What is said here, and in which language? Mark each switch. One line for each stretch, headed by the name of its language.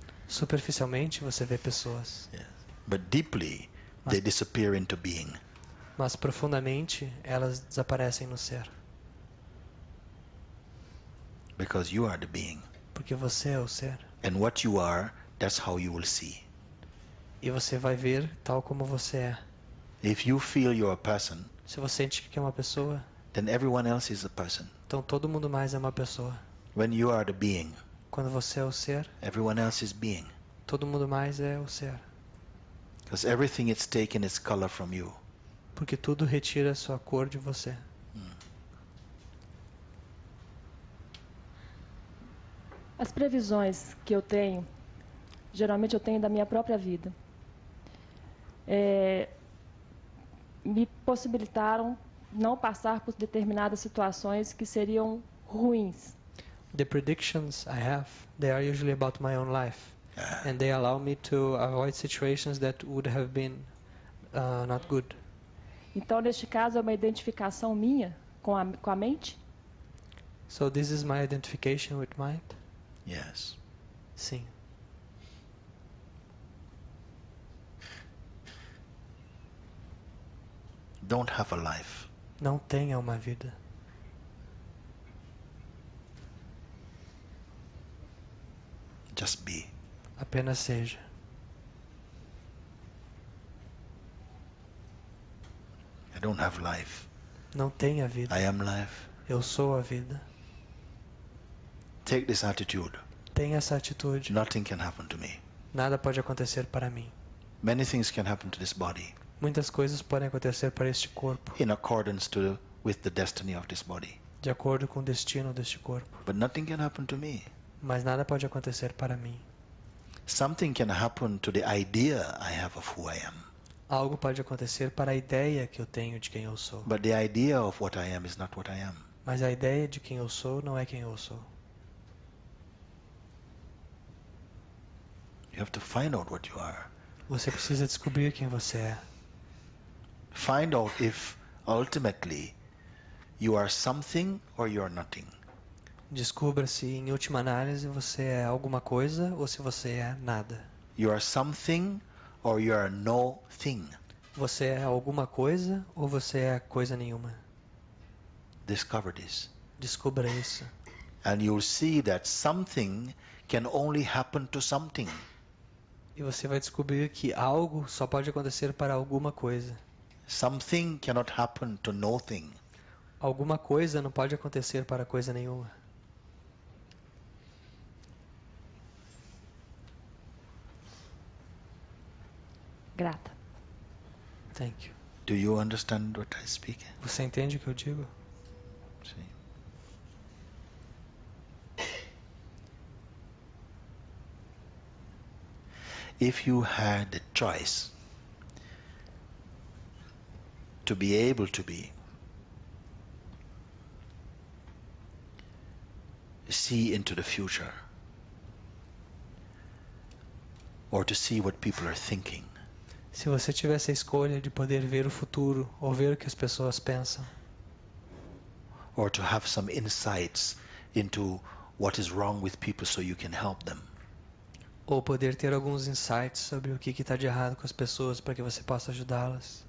Portuguese: Superficialmente você vê pessoas.
English: Yes. But deeply, they disappear into being.
Portuguese: Mas profundamente elas desaparecem no ser.
English: Because you are the being.
Portuguese: Porque você é o ser.
English: And what you are, that's how you will see.
Portuguese: E você vai ver tal como você é.
English: If you feel you're a person,
Portuguese: se você sente que é uma pessoa,
English: then everyone else is a person.
Portuguese: Então todo mundo mais é uma pessoa.
English: When you are the being,
Portuguese: quando você é o ser,
English: everyone else is being.
Portuguese: Todo mundo mais é o ser.
English: Because everything is taking its color from you.
Portuguese: Porque tudo retira a sua cor de você. As previsões que eu tenho, geralmente eu tenho da minha própria vida, me possibilitaram não passar por determinadas situações que seriam ruins.
English: The predictions I have, they are usually about my own life, and they allow me to avoid situations that would have been not good.
Portuguese: Então, neste caso, é uma identificação minha com a mente?
English: So this is my identification with mind? Yes.
Portuguese: Sim.
English: Don't have a life.
Portuguese: Não tenha uma vida.
English: Just be.
Portuguese: Apenas seja.
English: I don't have life.
Portuguese: Não tenha vida.
English: I am life.
Portuguese: Eu sou a vida.
English: Take this attitude.
Portuguese: Tenha essa atitude.
English: Nothing can happen to me.
Portuguese: Nada pode acontecer para mim.
English: Many things can happen to this body.
Portuguese: Muitas coisas podem acontecer para este corpo.
English: In accordance to with the destiny of this body.
Portuguese: De acordo com o destino deste corpo.
English: But nothing can happen to me.
Portuguese: Mas nada pode acontecer para mim.
English: Something can happen to the idea I have of who I am.
Portuguese: Algo pode acontecer para a ideia que eu tenho de quem eu sou.
English: But the idea of what I am is not what I am.
Portuguese: Mas a ideia de quem eu sou não é quem eu sou.
English: You have to find out what you are.
Portuguese: Você precisa descobrir quem você é.
English: Find out if ultimately you are something or you are nothing.
Portuguese: Descubra se em última análise você é alguma coisa ou se você é nada.
English: You are something or you are no thing.
Portuguese: Você é alguma coisa ou você é coisa nenhuma.
English: Discover this.
Portuguese: Descubra isso.
English: And you'll see that something can only happen to something.
Portuguese: E você vai descobrir que algo só pode acontecer para alguma coisa.
English: Something cannot happen to nothing.
Portuguese: Alguma coisa não pode acontecer para coisa nenhuma. Grata.
English: Thank you. Do you understand what I speak?
Portuguese: Você entende o que eu digo? Sim.
English: If you had the choice to be able to be see into the future or to see what people are thinking.
Portuguese: Se você tivesse a escolha de poder ver o futuro ou ver o que as pessoas pensam.
English: Or to have some insights into what is wrong with people so you can help them.
Portuguese: Ou poder ter alguns insights sobre o que está de errado com as pessoas para que você possa ajudá-las.